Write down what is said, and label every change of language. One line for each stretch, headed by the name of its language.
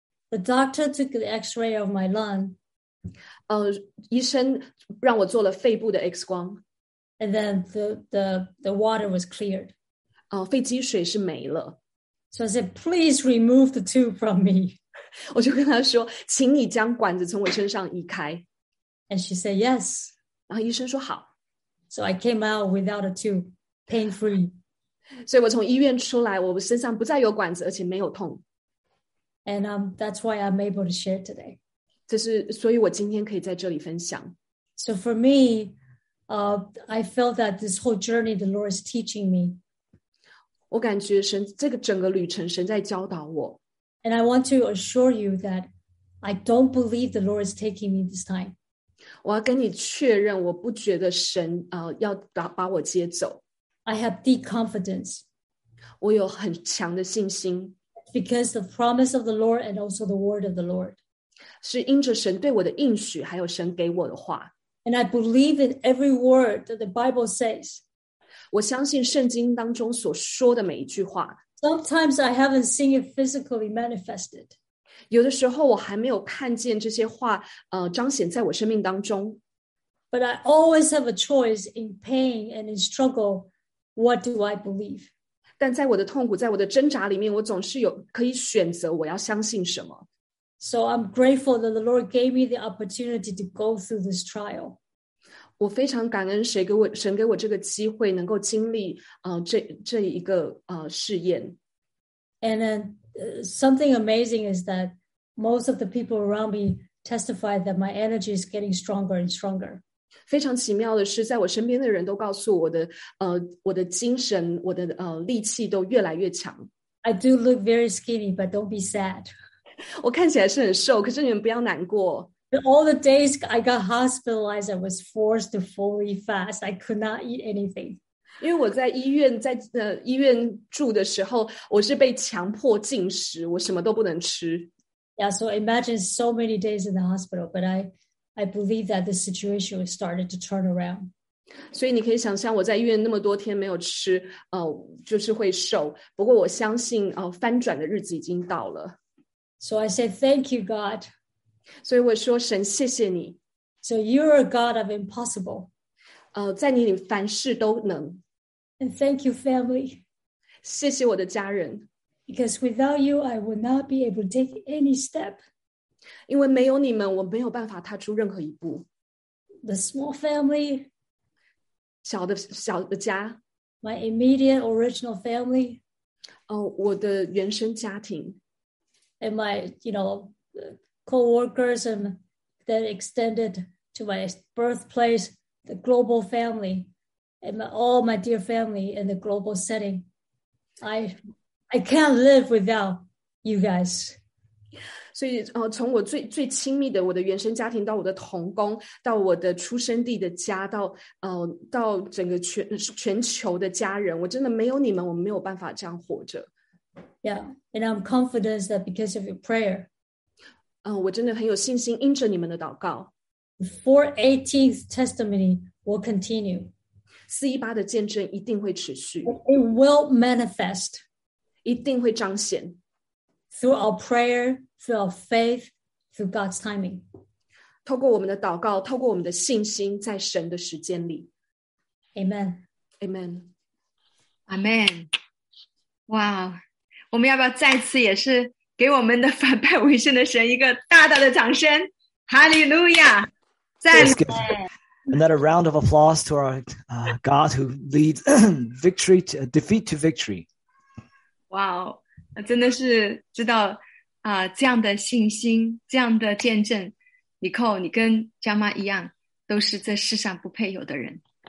English: The doctor took the X-ray of my lung.
Chinese: 医生让我做了肺部的 X 光。
English: And then the water was cleared.
Chinese: 肺积水是没了。
English: So I said, please remove the tube from me.
Chinese: 我就跟他说，请你将管子从我身上移开。
English: And she said, yes.
Chinese: 然后医生说好。
English: So I came out without a tube, pain-free.
Chinese: 所以我从医院出来，我身上不再有管子，而且没有痛。
English: And that's why I'm able to share today.
Chinese: 这是，所以我今天可以在这里分享。
English: So for me, I felt that this whole journey the Lord is teaching me.
Chinese: 我感觉神，这个整个旅程神在教导我。
English: And I want to assure you that I don't believe the Lord is taking me this time.
Chinese: 我要跟你确认，我不觉得神要把我接走。
English: I have deep confidence.
Chinese: 我有很强的信心。
English: Because the promise of the Lord and also the word of the Lord.
Chinese: 是因着神对我的应许，还有神给我的话。
English: And I believe in every word that the Bible says.
Chinese: 我相信圣经当中所说的每一句话。
English: Sometimes I haven't seen it physically manifested.
Chinese: 有的时候我还没有看见这些话彰显在我生命当中。
English: But I always have a choice in pain and in struggle. What do I believe?
Chinese: 但在我的痛苦，在我的挣扎里面，我总是有可以选择我要相信什么。
English: So I'm grateful that the Lord gave me the opportunity to go through this trial.
Chinese: 我非常感恩神给我这个机会能够经历这一个试验。
English: And then, something amazing is that most of the people around me testify that my energy is getting stronger and stronger.
Chinese: 非常奇妙的是在我身边的人都告诉我的我的精神我的力气都越来越强。
English: I do look very skinny, but don't be sad.
Chinese: 我看起来是很瘦，可是你们不要难过。
English: All the days I got hospitalized, I was forced to fully fast. I could not eat anything.
Chinese: 因为我在医院住的时候，我是被强迫禁食，我什么都不能吃。
English: Yeah, so imagine so many days in the hospital, but I believe that the situation started to turn around.
Chinese: 所以你可以想象我在医院那么多天没有吃，就是会瘦。不过我相信，翻转的日子已经到了。
English: So I say, thank you, God.
Chinese: 所以我说神谢谢你。
English: So you're a God of impossible.
Chinese: 在你里凡事都能。
English: And thank you, family.
Chinese: 谢谢我的家人。
English: Because without you, I would not be able to take any step.
Chinese: 因为没有你们，我没有办法踏出任何一步。
English: The small family.
Chinese: 小的家。
English: My immediate original family.
Chinese: 我的原生家庭。
English: And my, you know, co-workers and then extended to my birthplace, the global family, and all my dear family in the global setting. I can't live without you guys.
Chinese: 所以从我最亲密的我的原生家庭到我的同工到我的出生地的家到整个全球的家人我真的没有你们我没有办法这样活着。
English: Yeah, and I'm confident that because of your prayer.
Chinese: 我真的很有信心，因着你们的祷告。
English: The 418th testimony will continue.
Chinese: 418的见证一定会持续。
English: It will manifest.
Chinese: 一定会彰显。
English: Through our prayer, through our faith, through God's timing.
Chinese: 透过我们的祷告，透过我们的信心，在神的时间里。
English: Amen. Amen. Amen. Wow.
Chinese: 我们要不要再次也是给我们的反派为圣的神一个大大的掌声？哈利路亚！赞美
English: ！Another round of applause to our God who leads victory to defeat to victory.
Chinese: 哇哦，真的是知道这样的信心，这样的见证，以后你跟佳妈一样，都是这世上不配有的人。